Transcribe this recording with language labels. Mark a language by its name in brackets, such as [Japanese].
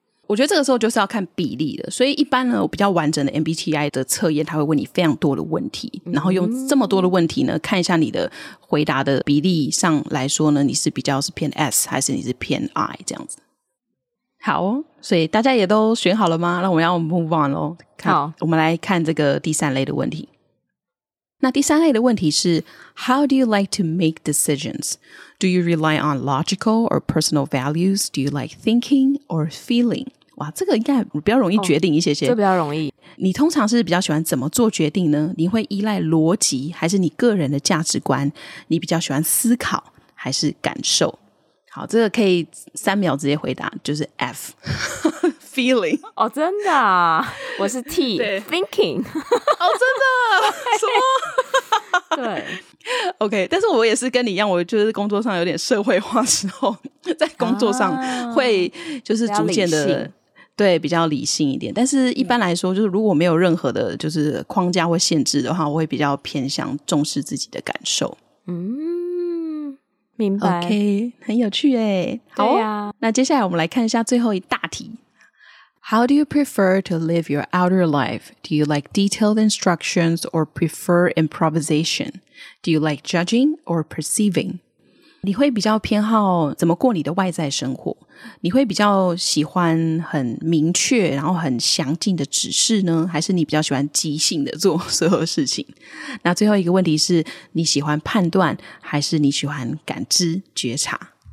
[Chinese] 我觉得这个时候就是要看比例的，所以一般呢，我比较完整的 MBTI 的测验，它会问你非常多的问题，然后用这么多的问题呢，看一下你的回答的比例上来说呢，你是比较是偏 S 还是你是偏 I 这样子。好，所以大家也都选好了吗？那我们要 [English] move on [Chinese] 咯。好，我们来看这个第三类的问题。那第三类的问题是 [English] How do you like to make decisions? Do you rely on logical or personal values? Do you like thinking or feeling? [Chinese] 哇，这个应该比较容易决定一些些。这比较容易。你通常是比较喜欢怎么做决定呢？你会依赖逻辑还是你个人的价值观？你比较喜欢思考还是感受？好，这个可以三秒直接回答，就是 F feeling。哦，真的啊，我是 T thinking。哦，真的什么对 OK， 但是我也是跟你一样，我就是工作上有点社会化时候，在工作上会就是逐渐的对比较理性一点，但是一般来说就是如果没有任何的就是框架或限制的话，我会比较偏向重视自己的感受。明白。 OK， 很有趣耶。好，对啊，那接下来我们来看一下最后一大题。 [English] How do you prefer to live your outer life? Do you like detailed instructions or prefer improvisation? Do you like judging or perceiving? [Chinese] 你会比较偏好怎么过你的外在生活？你会比较喜欢很明确然后很详尽的指示呢？还是你比较喜欢即兴的做所有事情？那最后一个问题是，你喜欢判断还是你喜欢感知觉察？